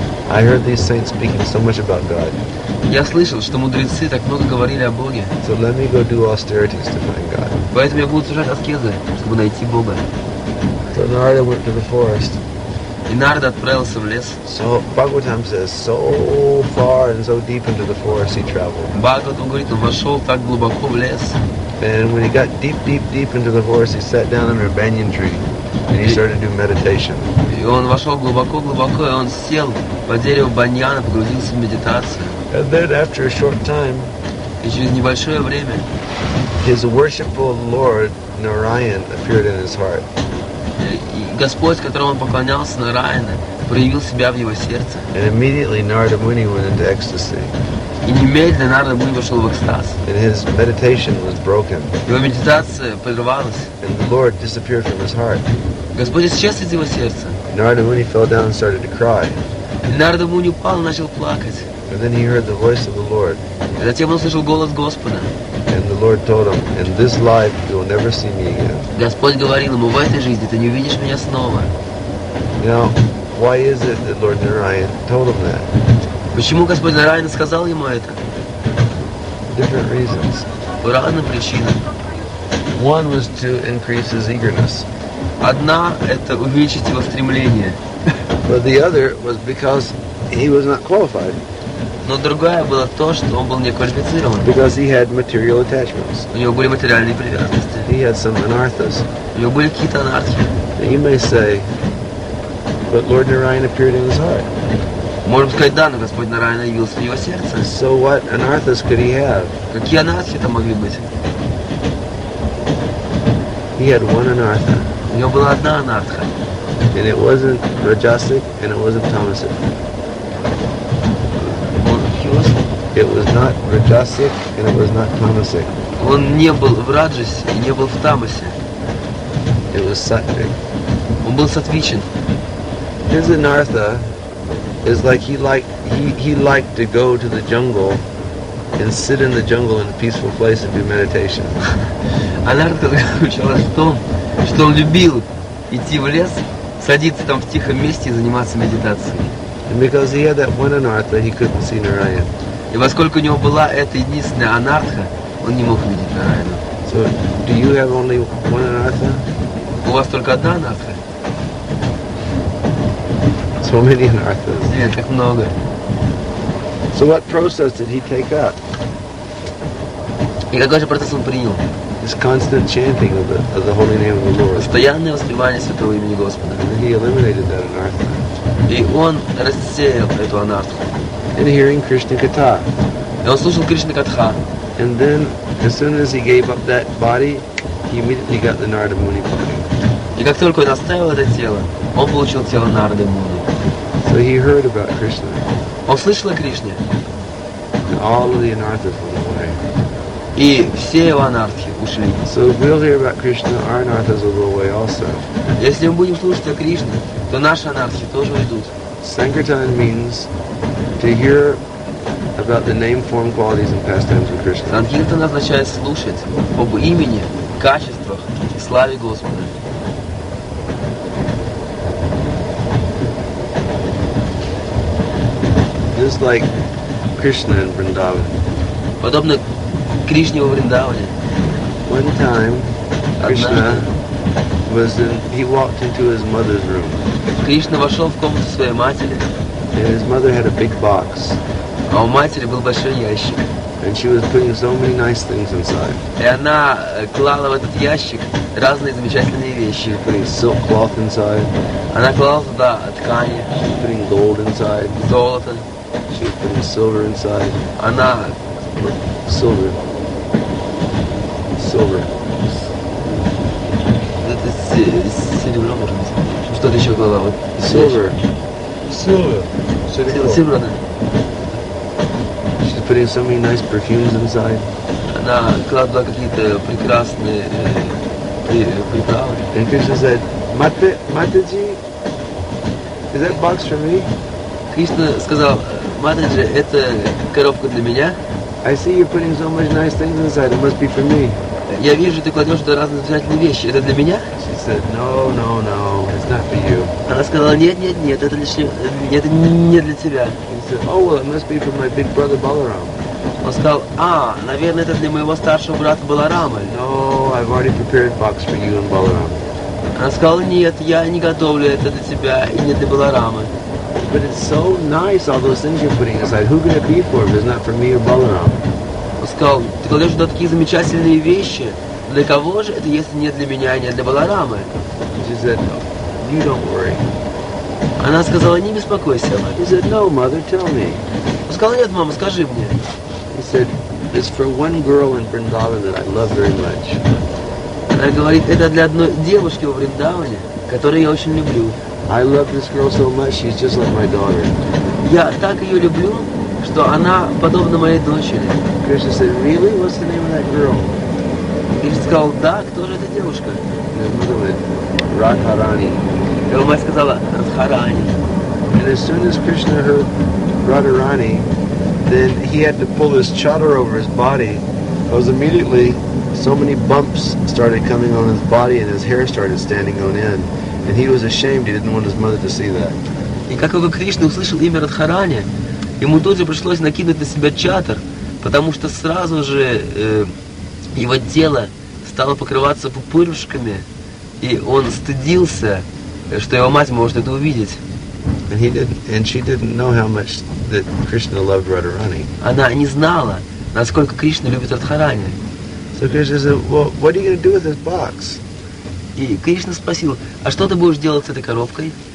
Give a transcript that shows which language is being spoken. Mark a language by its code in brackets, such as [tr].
[en] I heard these saints speaking so much about God. [ru] Я слышал, что мудрецы так много говорили о Боге. [en] So let me go do austerities to find God. [ru] Поэтому я буду совершать аскезы, чтобы найти Бога. [en] So Narada went to the forest. [ru] И Нарда отправился в лес. [en] So Bhagavatam says, so far and so deep into the forest he traveled. [ru] Бхагаватам говорит, он вошел так глубоко в лес. [en] And when he got deep, deep, deep into the forest, he sat down under a banyan tree. And he started to do meditation. [ru] И он вошел глубоко, глубоко, и он сел по дереву баньяна, погрузился в медитацию. [en] And then after a short time, [ru] и через небольшое время, [en] his worshipful Lord Narayan appeared in his heart. [ru] И Господь, которому он поклонялся, Нараяна, проявил себя в его сердце. [en] And immediately Narada Muni went into ecstasy. [ru] И немедленно Нарада Муни вошел в экстаз. [en] And his meditation was broken. [ru] Его медитация прервалась. [en] And the Lord disappeared from his heart. [ru] Господь исчез из его сердца. [en] Narada Muni fell down and started to cry. [ru] Нарада Муни упал и начал плакать. [en] And then he heard the voice of the Lord. [ru] И затем он услышал голос Господа. [en] And the Lord told him, in this life you will never see me again. [ru] Господь говорил ему, в этой жизни ты не увидишь меня снова. [en] Now, why is it that Lord Narayan told him that? [ru] Почему Господь Нараяна сказал ему это? [en] Different reasons. [ru] По разным причинам. [en] One was to increase his eagerness. [ru] Одна – это увеличить его стремление. [en] But the other was because he was not qualified. [ru] Но другая была то, что он был не квалифицирован. [en] Because he had material attachments. [ru] У него были материальные привязанности. [en] He had some anarthas. [ru] У него были какие-то анархии. [en] And you may say, but Lord Narayan appeared in his heart. [ru] Можем сказать, да, но Господь Нараяна явился в его сердце. [en] So what anarthas could he have? [ru] Какие анархии там могли быть? [en] He had one anartha. [ru] У него была одна анартха. [en] And it wasn't rajasic, and it wasn't tamasic. It was not rajasic, and it was not tamasic. [ru] Он не был в раджасе и не был в тамасе. [en] It was sattvic. [ru] Он был сатвичен. [en] His anartha is like he liked to go to the jungle and sit in the jungle in a peaceful place and do meditation. [ru] Анартха заключалась в том, что он любил идти в лес, садиться там в тихом месте и заниматься медитацией. [en] And because he had that one anartha, he couldn't see Narayan. [ru] И поскольку у него была эта единственная анартха, он не мог видеть Нараяну. [en] So, do you have only one anartha? [ru] У вас только одна анартха? [en] So many anarthas. [ru] Нет, так много. [en] So what process did he take up? [ru] И какой же процесс он принял? [en] His constant chanting of the holy name of the Lord. [ru] Постоянное воспевание святого имени Господа. [en] And he eliminated that anartha. [ru] И он рассеял эту анартху. [en] And hearing Krishna Katha. [ru] И он слушал Кришна Катха. [en] And then, as soon as he gave up that body, he immediately got the Narada Muni body. [ru] И как только он оставил это тело, он получил тело Нарады Муни. [en] So he heard about Krishna. [ru] Он слышал о Кришне. [en] And all of the anarthas went away. [ru] И все его анархи ушли. [en] So if we'll hear about Krishna, our anarthas will go away also. [ru] Если мы будем слушать о Кришне, то наши анархи тоже уйдут. [en] Sankirtan means to hear about the name, form, qualities, and pastimes of Krishna. [ru] Sankirtan означает слушать об имени, качествах и славе Господа. [en] Just like Krishna in Vrindavan. [ru] Подобно Кришне во Вриндаване. [en] One time, Krishna was in. He walked into his mother's room. [ru] Кришна вошел в комнату своей матери. [en] And his mother had a big box. [ru] А у матери был большой ящик. [en] And she was putting so many nice things inside. [ru] И она клала в этот ящик разные замечательные вещи. [en] Putting silk cloth inside. [ru] Она клала туда ткани. [en] She was putting gold inside. [ru] Золото. [en] She was putting silver inside. [ru] Она [en] silver. [ru] Это серебро, может быть. Что-то еще клала? [en] Silver. Silver. She's putting so many nice perfumes inside. [ru] Она кладла какие-то прекрасные приправы. [en] And Krishna said, Mataji, is that box for me? [ru] Krishna сказал, Mataji, это коробка для меня. [en] I see you're putting so much nice things inside. It must be for me. [ru] Я вижу, ты кладешь туда разные замечательные вещи. Это для меня? [en] She said, no, no, no, it's not for you. [ru] Она сказала, нет, нет, нет, это лишь это не для тебя. [en] He said, oh, well, it must be for my big brother Balaram. [ru] Он сказал, а, наверное, это для моего старшего брата Баларама. [en] No, I've already prepared box for you and Balaram. [ru] Она сказала, нет, я не готовлю это для тебя и не для Баларамы. [en] But it's so nice, all those things you're putting aside. Who could it be for if it's not for me or Balaram? [ru] Он сказал, ты кладешь туда такие замечательные вещи. Для кого же это, если не для меня, не для Баларамы? [en] She said, no, you don't worry. [ru] Она сказала, не беспокойся. [en] He said, no, mother, tell me. [ru] Он сказал, нет, мама, скажи мне. [en] He said, it's for one girl in Vrindavan that I love very much. [ru] Она говорит, это для одной девушки во Вриндаване, которую я очень люблю. [en] I love this girl so much, she's just like my daughter. [ru] Я так ее люблю, что она подобна моей дочери. [en] Krishna said, really? What's the name of that girl? [ru] И сказал, да, кто же эта девушка? [en] And his mother went, Radharani. [ru] И его мать сказала, Радхарани. [en] And as soon as Krishna heard Radharani, then he had to pull his chador over his body. It was immediately, so many bumps started coming on his body and his hair started standing on end. And he was ashamed, he didn't want his mother to see that. [ru] И как только Кришна услышал имя Радхарани, ему тут же пришлось накинуть на себя чатор, потому что сразу же его тело стало покрываться пупырышками, и он стыдился, что его мать может это увидеть. [en] And he didn't, and she didn't know how much that Krishna loved Radharani. [ru] Она не знала, насколько Кришна любит Радхарани. [en] So Krishna said, well, what are you going to do with this box? [ru] И Кришна спросил, а что ты будешь делать с этой коробкой?